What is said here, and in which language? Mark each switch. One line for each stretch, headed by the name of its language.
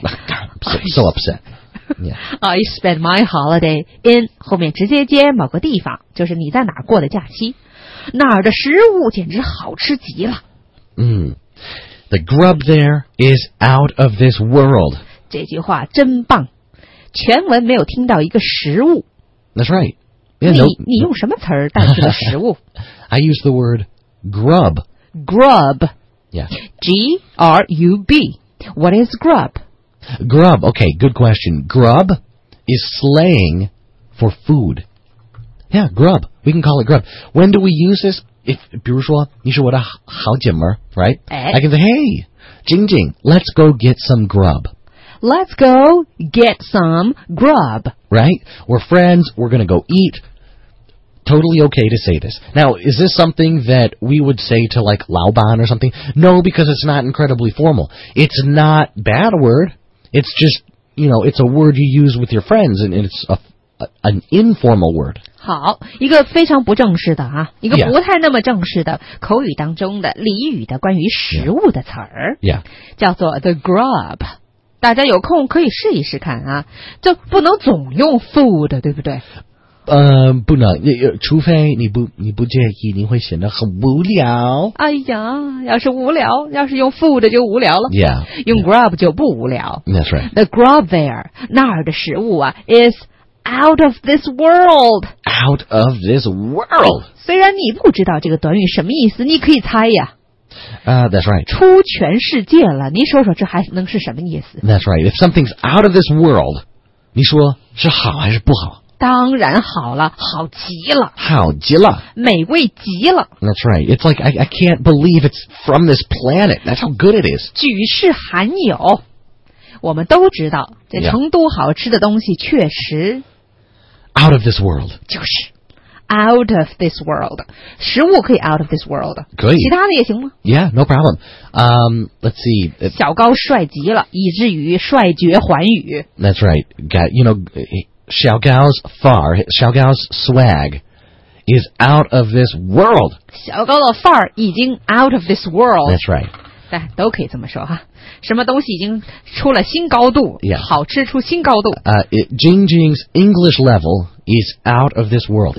English: God, I'm so upset、yeah. I spend my holiday in
Chinese: 后面直接接某个地方就是你在哪过的假期哪儿的食物简直好吃极了、
English: The grub there is out of this world
Chinese: 这句话真棒，全文没有听到一个食物。
English: That's right. Yeah,
Chinese: 你用什么词儿代替了食物
English: ？I use the word grub. Grub. Yeah. G-R-U-B. What is grub? Grub. Okay, good question. Grub is slang for food. Yeah, grub. We can call it grub. When do we use this?
Chinese: If, 比如说，你是我的好姐妹 right?、哎、
English: I can say, hey, 晶晶 let's go get some grub. Let's go get some grub. Right? We're friends. We're going to go eat. Totally okay to say this. Now, is this something that we would say to, like, 老板 or something? No, because it's not incredibly formal. It's not a bad word. It's just, you know, it's a word you use with your friends, and it's an informal word.
Chinese: 好，一个非常不正式的啊，一个不太那么正式的、
English: yeah.
Chinese: 口语当中的俚语的关于食物的词儿
English: yeah.
Chinese: 叫做 the grub. 大家有空可以试一试看啊，就不能总用 food， 对不对？不能，除非你不介意，你会显得很无聊。哎呀，要是无聊，要是用 food 就无聊了。
English: Yeah，
Chinese: 用 grub 就不无聊。
English: That's right. The grub there，
Chinese: 那儿的食物啊
English: ，is out of this world。 Out of this world。
Chinese: 虽然你不知道这个短语什么意思，你可以猜呀。
English: That's right.
Chinese: 出全世界了，你说说这还能是什么意思
English: ？That's right. If something's out of this world,
Chinese: 你说是好还是不好？当然好了，好极了，好极了，美味极了。
English: That's right. It's like I can't believe it's from this planet. That's how good it is.
Chinese: 举世罕有，我们都知道这成都好吃的东西确实
English: out of this world.
Chinese: 就是。
English: Out of this world.
Chinese: 食物可以
English: out of this world.
Chinese: 可以。其他的也行吗
English: Yeah, no problem. Let's see.
Chinese: 小高帅极了，以至于帅绝寰宇。
English: That's right. You know, 小高's far, 小高's swag is out of this world.
Chinese: 小高的范儿已经
English: out of this world. That's right.
Chinese: 对，都可以这么说哈。什么东西已经出了新高度，
English: yeah.
Chinese: 好吃出新高度。
English: Jing Jing's English level is out of this world.